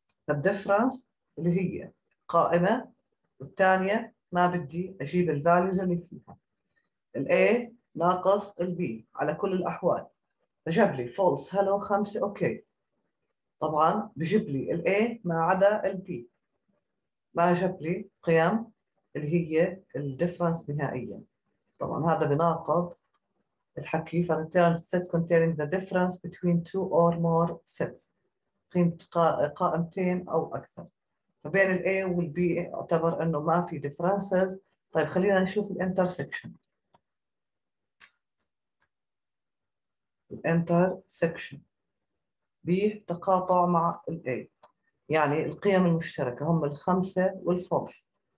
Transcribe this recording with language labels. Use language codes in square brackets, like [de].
[ar] The difference اللي هي قائمة، والثانية ما بدي أجيب الفاليوز اللي فيها. الـ A ناقص الـ B على كل الأحوال، فجاب لي false hello 5، أوكي. طبعاً بجيب لي الـ A ما عدا الـ B، ما جاب لي قيم اللي هي الـ difference نهائياً. طبعاً هذا بناقض الحكي، فـ [en] return set containing the difference between two or more sets، [ar] قيمة قائمتين أو أكثر. فبين الـ A والـ B اعتبر أنه ما في differences. طيب خلينا نشوف الـ intersection. الـ intersection B تقاطع مع الـ A، يعني القيم المشتركة هم الخمسة والفولس.